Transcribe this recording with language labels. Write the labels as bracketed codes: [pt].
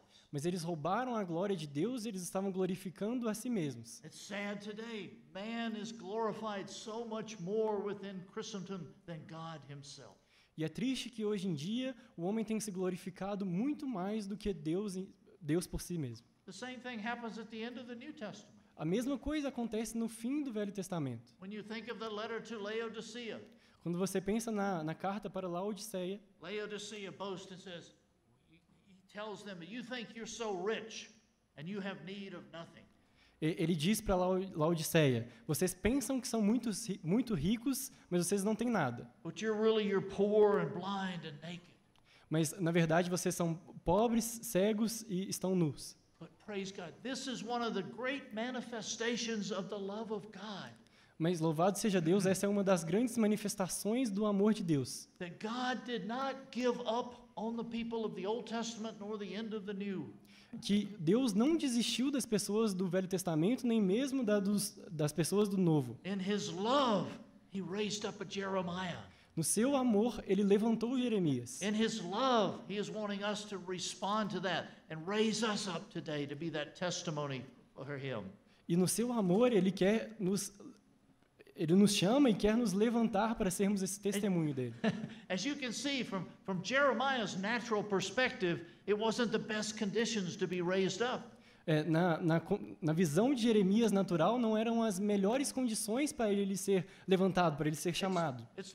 [pt] Mas eles roubaram a glória de Deus e eles estavam glorificando a si mesmos. É triste hoje. O homem é glorificado muito mais dentro de Christendom do que Deus mesmo. E é triste que hoje em dia o homem tem se glorificado muito mais do que Deus por si mesmo. [en] The same thing happens at the end of the New Testament. [pt] A mesma coisa acontece no fim do Velho Testamento. [en] When you think of the letter to Laodicea, [pt] quando você pensa na carta para Laodiceia, [en] Laodicea boasts and says, he tells them, you think you're so rich and you have need of nothing. [pt] Ele diz para Laodiceia, vocês pensam que são muito, muito ricos, mas vocês não têm nada. [en] But you're really, you're poor and blind and naked. [pt] Mas, na verdade, vocês são pobres, cegos e estão nus. [en] But praise God, this is one of the great manifestations of the love of God. [pt] Mas louvado seja Deus, essa é uma das grandes manifestações do amor de Deus. [en] That God did not give up on the people of the Old Testament nor the end of the New. [pt] Que Deus não desistiu das pessoas do Velho Testamento nem mesmo das pessoas do Novo. [en] In his love, he raised up a Jeremiah. [pt] No seu amor, ele levantou Jeremias. [en] In his love, he is wanting us to respond to that and raise us up today to be that testimony for him. [pt] E no seu amor, ele nos chama e quer nos levantar para sermos esse testemunho dele. [en] As you can see from Jeremiah's natural perspective, it wasn't the best conditions to be raised up. [pt] Na visão de Jeremias natural, não eram as melhores condições para ele ser levantado, para ele ser chamado.